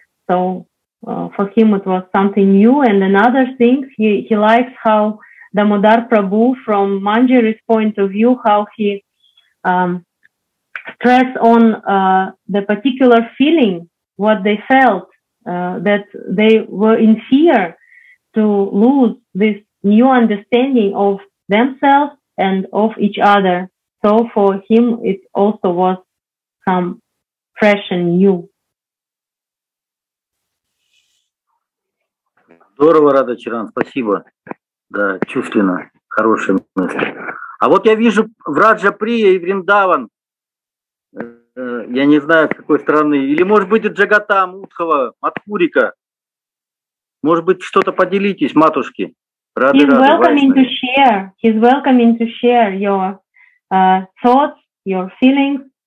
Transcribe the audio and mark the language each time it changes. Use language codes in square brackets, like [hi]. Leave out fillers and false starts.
[en] So for him it was something new. And another thing, he likes how Damodar Prabhu, from Manjari's point of view, how he stressed on the particular feeling, what they felt, that they were in fear, to lose this new understanding of themselves and of each other. So for him, it also was some fresh and new. [ru] Здорово, Рада Чиран, спасибо. Да, чувственно, хорошие мысли. А вот я вижу в Раджа-Прия и Вриндаван, я не знаю, с какой стороны, или, может быть, Джагата, Мудхова, Матхурика. Может быть, что-то поделитесь, матушки. [en] Рады, he's рады, welcoming to share. He's welcoming to share your thoughts, your feelings.